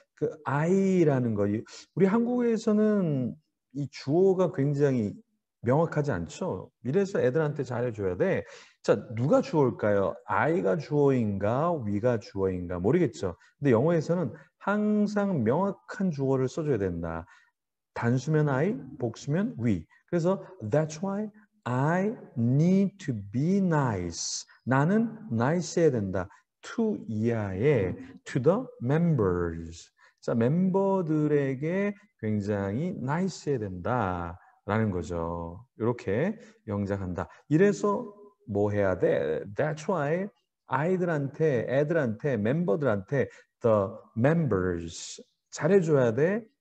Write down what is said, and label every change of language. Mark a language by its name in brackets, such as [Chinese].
[Korean] 그 I라는 거 우리 한국에서는 이 주어가 굉장히 명확하지 않죠? 이래서 애들한테 잘해줘야 돼. 자, 누가 주어일까요? I가 주어인가? We가 주어인가? 모르겠죠? 근데 영어에서는 항상 명확한 주어를 써줘야 된다. 단수면 I, 복수면 We. [English] 그래서 That's why I need to be nice. [Korean] 나는 nice 해야 된다. To 이하에, to the members. 자, 멤버들에게 굉장히 nice 해야 된다라는 거죠. 이렇게 영작한다. 이래서 뭐 해야 돼? That's why 아이들한테, 애들한테, 멤버들한테 the members 잘해줘야 돼?